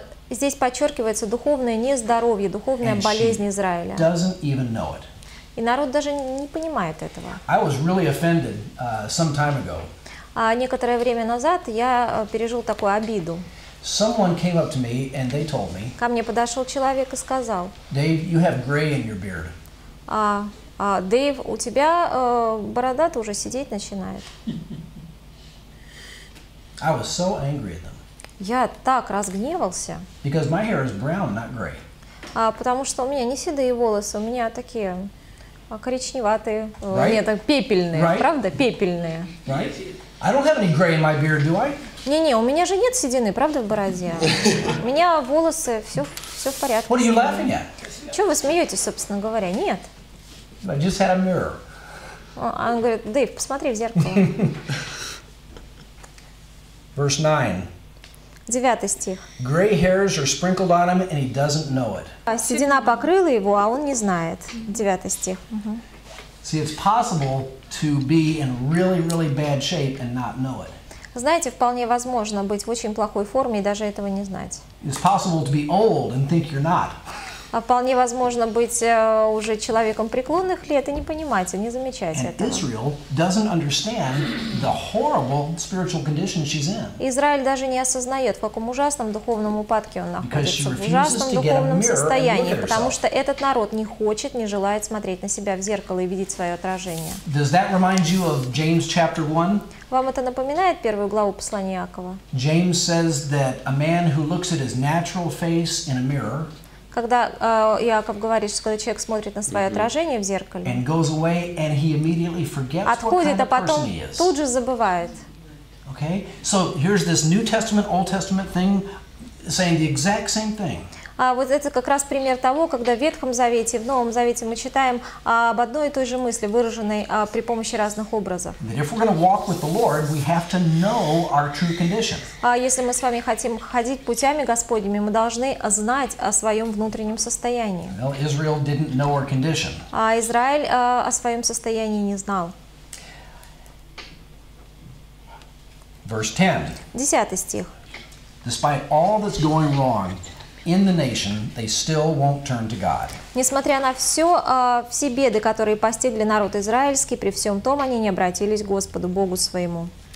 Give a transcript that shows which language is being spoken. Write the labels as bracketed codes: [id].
[ru] здесь подчеркивается духовное нездоровье, духовная [en] And [ru] болезнь Израиля. [en] Doesn't even know it. [ru] И народ даже не понимает этого. [en] I was really offended, some time ago. [ru] Некоторое время назад я пережил такую обиду. [en] Someone came up to me and they told me, [ru] ко мне подошел человек и сказал, [en] Dave, you have gray in your beard. [ru] Дэйв, у тебя борода-то уже сидеть начинает. [en] I was so angry at them. [ru] Я так разгневался. [en] Because my hair is brown, not gray. [ru] Потому что у меня не седые волосы, у меня такие коричневатые. [en] Right? [ru] Нет, так пепельные, [en] right? [ru] Правда? Пепельные. [en] Right? I don't have any gray in my beard, do I? [ru] Не-не, у меня же нет седины, правда, в бороде? У меня волосы, все в порядке. What are you laughing at? Чего вы смеетесь, собственно говоря? Нет. [en] I just had a mirror. [ru] Он говорит, Дэйв, посмотри в зеркало. [en] Verse 9. [ru] Девятый стих. [en] Gray hairs are sprinkled on him, and he doesn't know it. [ru] Седина покрыла его, а он не знает. Девятый стих. [en] See, it's possible to be in really, really bad shape and not know it. [ru] Знаете, вполне возможно быть в очень плохой форме и даже этого не знать. [en] It's possible to be old and think you're not. [ru] А вполне возможно быть уже человеком преклонных лет и не понимать, и не замечать этого. [en] Israel doesn't understand the horrible spiritual condition she's in. [ru] Израиль даже не осознает, в каком ужасном духовном упадке он находится. [en] Because [ru] в ужасном духовном состоянии, потому [en] herself. [ru] Что этот народ не хочет, не желает смотреть на себя в зеркало и видеть свое отражение. [en] Does that remind you of James chapter 1? [ru] Вам это напоминает первую главу послания Иакова? [en] James says that a man who looks at his natural face in a mirror, [ru] когда Иаков говорит, что когда человек смотрит на свое отражение в зеркале, [en] and goes away, and he immediately forgets [ru] отходит, [en] what kind [ru] а потом [en] of person he is. [ru] Тут же забывает. [en] Okay, so here's this New Testament, Old Testament thing, saying the exact same thing. [ru] А вот это как раз пример того, когда в Ветхом Завете и в Новом Завете мы читаем об одной и той же мысли, выраженной при помощи разных образов. [en] If we're going to walk with the Lord, we have to know our true condition. [ru] А если мы с вами хотим ходить путями Господними, мы должны знать о своем внутреннем состоянии. [en] Well, Israel didn't know our condition. [ru] А Израиль о своем состоянии не знал. [en] Verse 10. [ru] 10 стих. [en] Despite all that's going wrong in the nation, they still won't turn to God. [ru] Несмотря на все, все беды, которые постигли народ израильский, при всем том они не обратились к Господу, Богу своему.